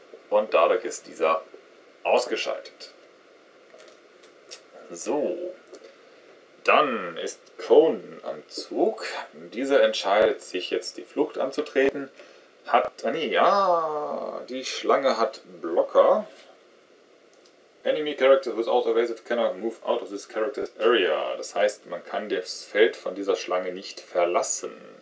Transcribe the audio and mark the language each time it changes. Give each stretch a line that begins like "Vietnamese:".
German: Und dadurch ist dieser ausgeschaltet. So. Dann ist Conan am Zug. Dieser entscheidet sich jetzt, die Flucht anzutreten. Die Schlange hat Blocker.
English: Enemy character who is out of the way cannot move out of this character's area.
German: Das heißt, man kann das Feld von dieser Schlange nicht verlassen.